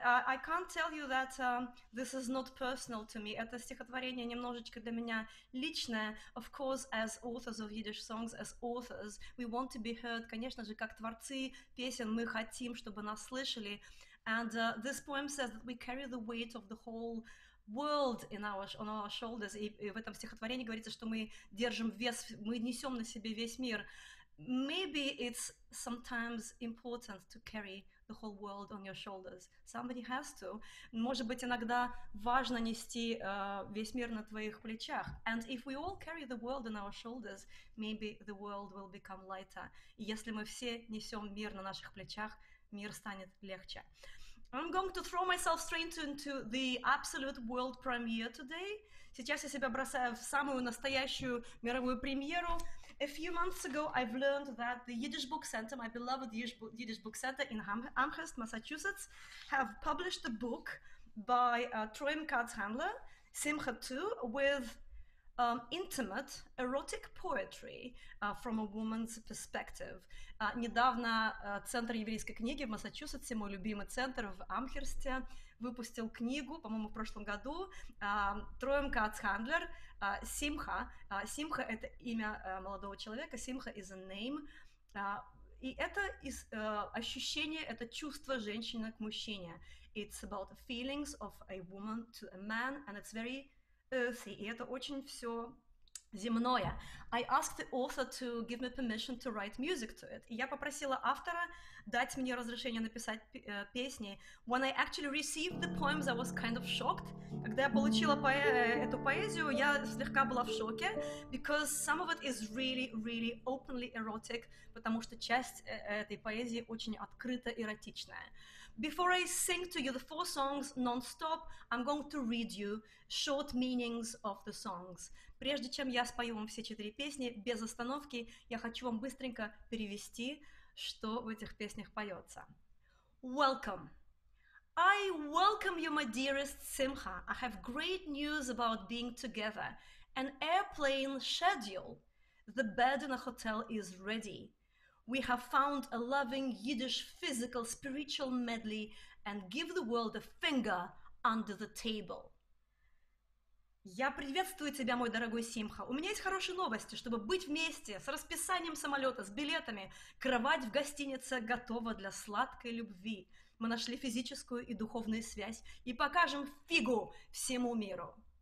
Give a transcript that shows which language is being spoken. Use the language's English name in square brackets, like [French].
[English] I can't tell you that this is not personal to me. [Russian] Это стихотворение немножечко для меня личное. [English] Of course, as authors of Yiddish songs, as authors, we want to be heard. [Russian] Конечно же, как творцы песен, мы хотим, чтобы нас слышали. [English] And this poem says that we carry the weight of the whole world in on our shoulders. [Russian] И в этом стихотворении говорится, что мы держим вес, мы несем на себе весь мир. [English] Maybe it's sometimes important to carry the whole world on your shoulders. Somebody has to. [Russian] Может быть, иногда важно нести весь мир на твоих плечах. [English] And if we all carry the world on our shoulders, maybe the world will become lighter. [Russian] Если мы все несем мир на наших плечах, мир станет легче. [English] I'm going to throw myself straight into the absolute world premiere today. [Russian] Сейчас я себя бросаю в самую настоящую мировую премьеру. [English] A few months ago, I've learned that the Yiddish Book Center, my beloved Yiddish Book Center in Amherst, Massachusetts, have published a book by Troim Katz Handler, Simcha II, with intimate, erotic poetry from a woman's perspective. [Russian] Недавно Центр еврейской книги в Массачусетсе, мой любимый центр в Амхерсте, выпустил книгу, по-моему, в прошлом году, Троим Катц Хандлер, Симха. Симха — это имя молодого человека, Симха [English] is a name. [Russian] И это ощущение, это чувство женщины к мужчине. [English] It's about the feelings of a woman to a man, and it's very earthy, [Russian] и это очень все земное. [English] I asked the author to give me permission to write music to it. [Russian] И я попросила автора дать мне разрешение написать песни. [English] When I actually received the poems, I was kind of shocked. [Russian] Когда я получила эту поэзию, я слегка была в шоке, [English] because some of it is really, really openly erotic, [Russian] потому что часть этой поэзии очень открыто эротичная. [English] Before I sing to you the four songs non-stop, I'm going to read you short meanings of the songs. [Russian] Прежде чем я спою вам все четыре песни, без остановки, я хочу вам быстренько перевести, что в этих песнях поется. [English] Welcome. I welcome you, my dearest Simcha. I have great news about being together. An airplane schedule. The bed in a hotel is ready. We have found a loving Yiddish physical spiritual medley and give the world a finger under the table. [Russian] Я приветствую тебя, мой дорогой Симха. У меня есть хорошие новости, чтобы быть вместе с расписанием самолета, с билетами. Кровать в гостинице готова для сладкой любви. Мы нашли физическую и духовную связь и покажем фигу всему миру.